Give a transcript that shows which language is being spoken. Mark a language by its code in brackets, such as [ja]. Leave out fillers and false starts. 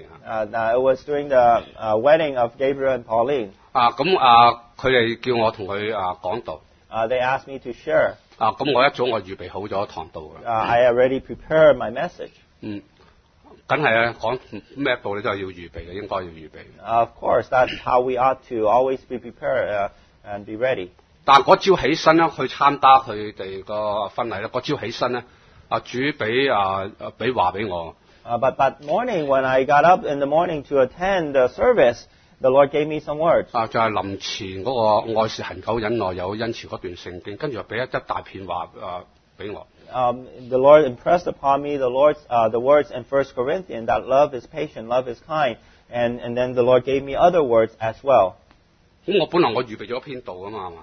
[en] It was during the wedding of Gabriel and Pauline. [yue] 咁佢哋叫我同佢講道。 [en] They asked me to share. [yue] 咁我一早我預備好咗堂道嘅。 [en] I already prepared my message. [yue] 梗係講咩步你都係要預備嘅，應該要預備。 [en] Of course, that's how we ought to always be prepared and be ready. [yue] 但嗰朝起身咧，去參加佢哋個婚禮咧，嗰朝起身咧，主俾話俾我。 [en] But that morning when I got up in the morning to attend the service, the Lord gave me some words. [yue] 就係臨前嗰個愛是恆久忍耐有恩慈嗰段聖經，跟住又俾一大片話俾我。 [en] The Lord impressed upon me the words in 1 Corinthians that love is patient, love is kind, and then the Lord gave me other words as well. [yue] 咁我本来我预备咗篇道噶嘛。